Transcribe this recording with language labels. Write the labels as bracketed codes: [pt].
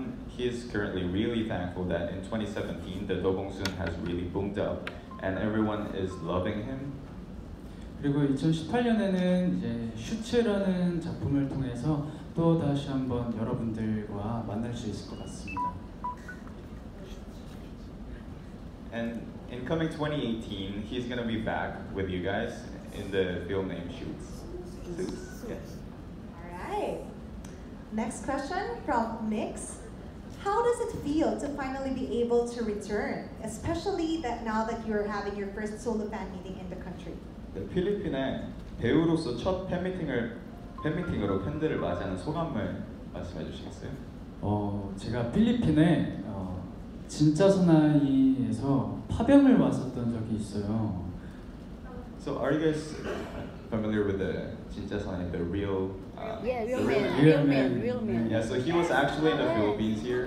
[en] He is currently really thankful that in 2017 the Do Bong-soon has really boomed up and everyone is loving him. [ko] 그리고 2018년에는 이제 슈체라는 작품을 통해서 또 다시 한번 여러분들과 만날 수 있을 것 같습니다. [en] And in coming 2018, he's going to be back with you guys in the film name Shoots. Yes. All right. Next question from Mix. How does it feel to finally be able to return, especially that now that you're having your first solo fan meeting in the country? [ko] 네, 필리핀에 배우로서 첫 팬미팅을 팬미팅으로 팬들을 맞이하는 소감을 말씀해 주시겠어요? 제가 필리핀에 진짜 소나이에서 파병을 왔었던 적이 있어요. [en] So are you guys familiar with the 진짜 소나이, the real? Yeah, real man. Yeah, so he was actually in the Philippines here.